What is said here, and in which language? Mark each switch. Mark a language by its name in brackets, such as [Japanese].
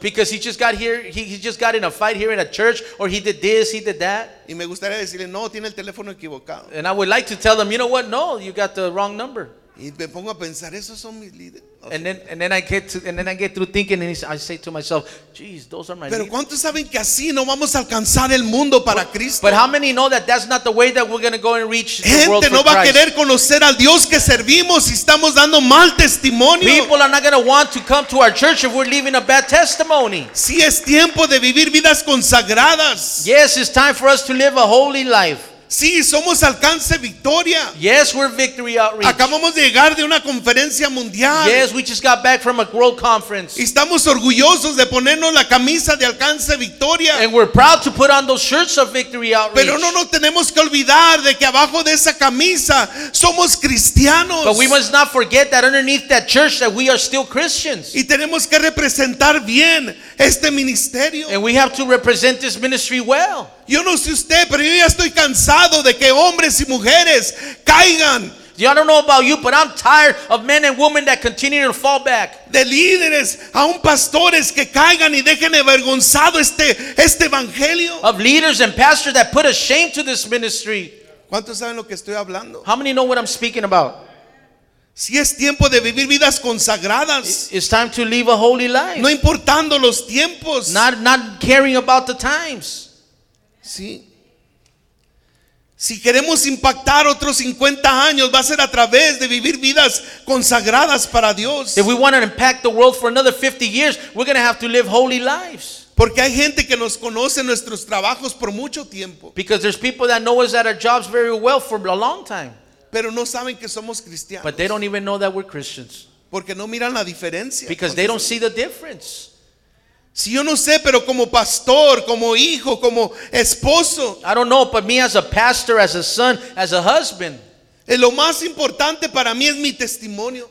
[English] Because he just got here, he just got in a fight here in a church, or he did this, he did that. [Spanish] Y me gustaría decirle, no, tiene el teléfono equivocado. [English] And I would like to tell them, you know what? No, you got the wrong number. [Spanish] Y me pongo a pensar, esos son mis líderes. [English] And then I get through thinking and I say to myself, geez, those are my. [Spanish] Pero ¿cuántos saben que así no vamos a alcanzar el mundo para Cristo? [English] But how many know that that's not the way that we're going to go and reach the world for [Spanish] Gente no va a querer conocer al Dios que servimos si estamos dando mal testimonio. [English] People are not going to want to come to our church if we're leaving a bad testimony. [Spanish] Sí, es tiempo de vivir vidas consagradas. [English] Yes, it's time for us to live a holy life. [Spanish] Sí, somos alcance victoria. [English] Yes, we're victory outreach. [Spanish] Acabamos de llegar de una conferencia mundial. [English] Yes, we just got back from a world conference. [Spanish] Y estamos orgullosos de ponernos la camisa de alcance victoria. [English] And we're proud to put on those shirts of victory outreach. [Spanish] Pero no nos tenemos que olvidar de que abajo de esa camisa somos cristianos. [English] But we must not forget that underneath that church that we are still Christians. [Spanish] Y tenemos que representar bien este ministerio. [English] And we have to represent this ministry well. [Spanish] Yo no sé usted, pero yo ya estoy cansado de que hombres y mujeres caigan. [English] I don't know about you, but I'm tired of men and women that continue to fall back. [Spanish] De líderes, aun pastores que caigan y dejen avergonzado este evangelio. [English] Of leaders and pastors that put a shame to this ministry. [Spanish] ¿Cuántos saben lo que estoy hablando? [English] How many know what I'm speaking about? [Spanish] Si es tiempo de vivir vidas consagradas. [English] It's time to live a holy life. [Spanish] No importando los tiempos. [English] Not caring about the times. [Spanish] Sí. Si queremos impactar otros 50 años, va a ser a través de vivir vidas consagradas para Dios. [English] If we want to impact the world for another 50 years, we're going to have to live holy lives. [Spanish] Porque hay gente que nos conoce nuestros trabajos por mucho tiempo. [English] Because there's people that know us at our jobs very well for a long time. [Spanish] Pero no saben que somos cristianos. [English] But they don't even know that we're Christians. [Spanish] Porque no miran la diferencia. [English] Because they don't see the difference. [Spanish] Si yo no sé, pero como pastor, como hijo, como esposo. [English] I don't know, but me as a pastor, as a son, as a husband. [Spanish] Lo más importante para mí es mi testimonio.